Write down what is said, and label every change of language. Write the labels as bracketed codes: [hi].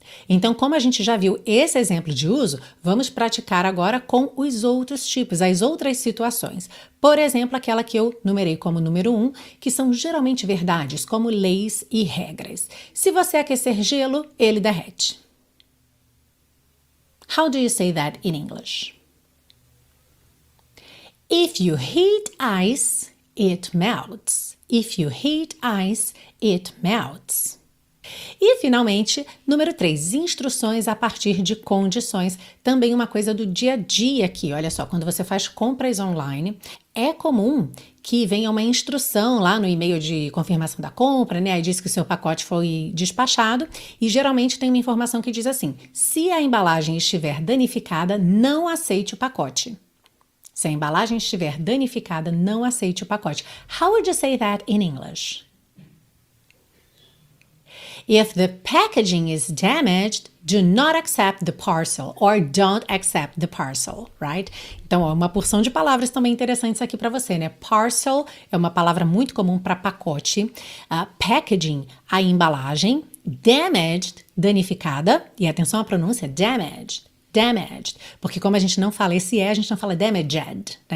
[pt] Então, como a gente já viu esse exemplo de uso, vamos praticar agora com os outros tipos, as outras situações. Por exemplo, aquela que eu numerei como número 1, que são geralmente verdades, como leis e regras. Se você aquecer gelo, ele derrete. [en] How do you say that in English? If you heat ice, it melts. If you heat ice, it melts. [pt] E, finalmente, número 3, instruções a partir de condições. Também uma coisa do dia a dia aqui, olha só, quando você faz compras online, é comum que venha uma instrução lá no e-mail de confirmação da compra, né? Aí diz que o seu pacote foi despachado e geralmente tem uma informação que diz assim: se a embalagem estiver danificada, não aceite o pacote. Se a embalagem estiver danificada, não aceite o pacote. [en] How would you say that in English? If the packaging is damaged, do not accept the parcel or don't accept the parcel, right? [pt] Então, uma porção de palavras também interessantes aqui para você, né? Parcel é uma palavra muito comum para pacote. Packaging, a embalagem. Damaged, danificada. E atenção à pronúncia, damaged. Damaged. Porque como a gente não fala esse a gente não fala damaged, tá?